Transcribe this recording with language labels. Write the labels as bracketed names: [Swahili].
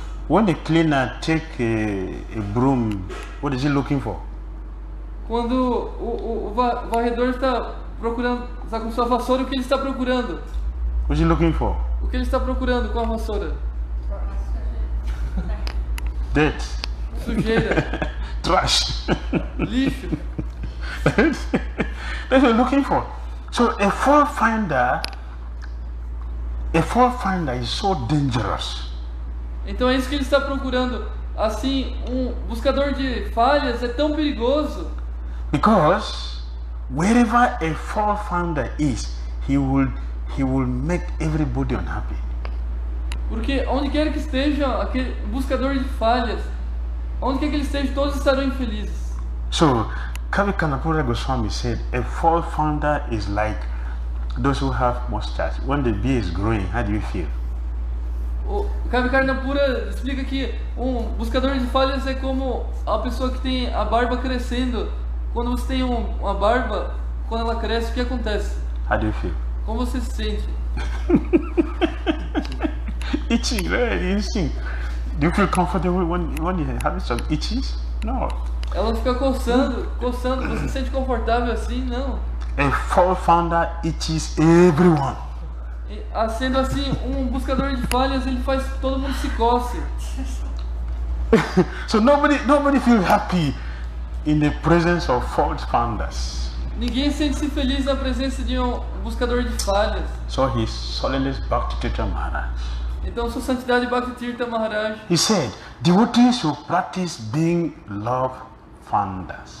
[English] When a cleaner take a broom, what is he looking for? [Portuguese] Quando o varredor está procurando, está com sua vassoura, o que ele está procurando? [English] What is he looking for? [Portuguese] O que ele está procurando com a vassoura? [English] Dirt. [Portuguese] Sujeira. [English] Trash. [Portuguese] Lixo. [English] That's what I'm looking for. So a fault finder is so dangerous. [Portuguese] Então é isso que ele está procurando. Assim, um buscador de falhas é tão perigoso. [English] Because wherever a fault finder is, he will make everybody unhappy. [Portuguese] Porque onde quer que esteja aquele buscador de falhas, onde quer que ele esteja, todos estarão infelizes. [English] So, Kavikarnapura Goswami said, a fault finder is like those who have mustache. When the beard is growing, how do you feel? [Portuguese] O Kavikarnapura explica que um buscador de falhas é como a pessoa que tem a barba crescendo. Quando você tem uma barba, quando ela cresce, o que acontece? [English] How do you feel? [Portuguese] Como você se sente? [English] Itching, right? Itching. Do you feel comfortable when you have some itches? No. [Portuguese] Ela fica coçando. Você se sente confortável assim? Não. [English] A fault finder itches everyone. [Portuguese] Sendo assim, um buscador de falhas, ele faz todo mundo se coce. [English] So nobody feels happy in the presence of fault finders. [Portuguese] Ninguém sente-se feliz na presença de um buscador de falhas. [English] So his holiness Bhakti Dhira Maharaj. [Portuguese] Então sua santidade Bhakti Dhira Maharaj. [English] He said, devotees who practice being love finding.